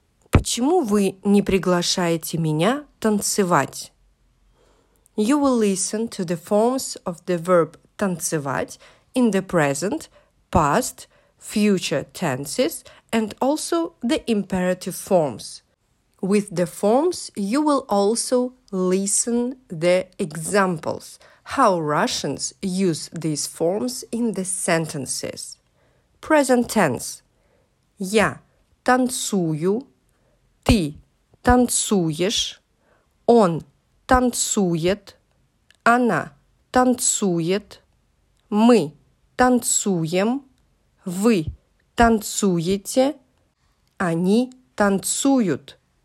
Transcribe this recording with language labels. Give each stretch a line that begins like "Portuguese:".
Russian: Почему вы не приглашаете меня танцевать?
English: You will listen to the forms of the verb танцевать in the present, past, future tenses, and also the imperative forms. With the forms, you will also listen the examples, how Russians use these forms in the sentences. Present tense.
Russian: Я танцую, ты танцуешь, он танцует, она танцует, мы танцуем, вы танцуете, они танцуют.